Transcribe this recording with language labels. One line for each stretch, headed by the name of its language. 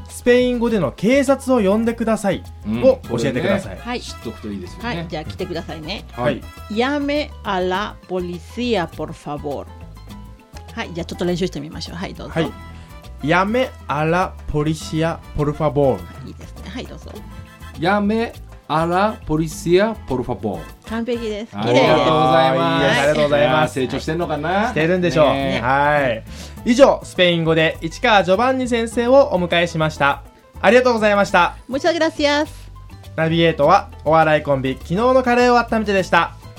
Japanese: スペイン語での警察を呼んでくださいを教えてください。うん、ね、知っとくといいですよね。はい、じゃあ来てくださいね。はい。
Spanish: Llame a la policía, por favor.
Japanese: はい、じゃあちょっと練習してみましょう。はい、どうぞ。はい。
Spanish: Llame a la policía, por favor.
Japanese: いいですね。はい、どうぞ。
Spanish: Llame a la policía, por favor.
Japanese: 完璧です。綺麗です。ありがとうございます。ありがとうございます。成長してんのかな？してるんでしょう。ね、はい。以上、スペイン語で市川ジョバンニ先生をお迎えしました。ありがとうございました。
Spanish: Muchas gracias。
Japanese: ナビゲートはお笑いコンビ昨日のカレーを温めてでした。